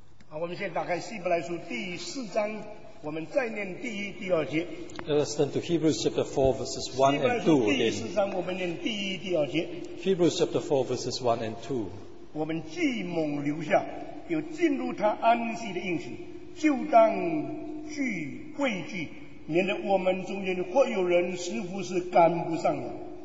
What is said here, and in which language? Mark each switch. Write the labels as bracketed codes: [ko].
[zh] 我们先打开希伯来书第四章，我们再念第一、第二节。 [en] Let us turn to Hebrews chapter 4, verses 1 and 2 again. [zh] 希伯来书第四章，我们念第一、第二节。 [en] Hebrews chapter 4, verses 1 and 2. [zh] 我们既蒙留下，又进入他安息的应许，就当惧畏惧，免得我们中间或有人似乎是赶不上了。